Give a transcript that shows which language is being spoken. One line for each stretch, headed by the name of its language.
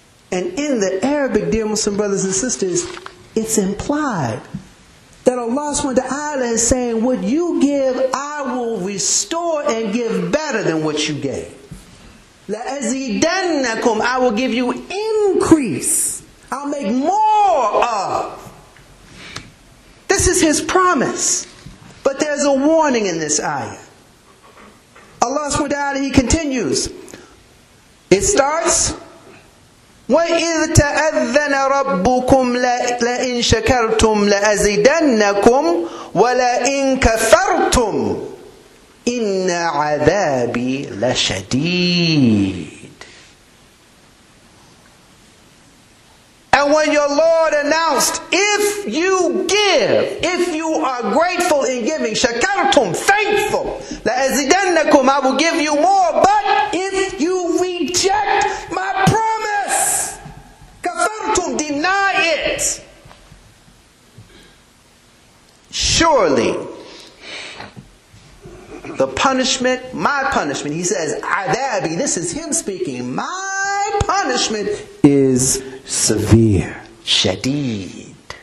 English: And in the Arabic, dear Muslim brothers and sisters, it's implied that Allah subhanahu wa ta'ala is saying, what you give, I will restore and give better than what you gave. La azidannakum, I will give you increase. I'll make more of. This is his promise. But there's a warning in this ayah. Allah subhanahu wa ta'ala, he continues.
Arabic: It starts, وَإِذْ تَأَذَّنَ رَبُّكُمْ لَإِنْ شَكَرْتُمْ لَأَزِدَنَّكُمْ وَلَإِنْ كَفَرْتُمْ إِنَّ عَذَابِي لَشَدِيدٌ.
English: And when your Lord announced, if you give, if you are grateful in giving, shakartum, thankful, la'azidannakum, I will give you more. But if you reject my promise, kafartum, deny it, surely the punishment, my punishment, he says, adabi, this is him speaking, my punishment is severe, shadeed.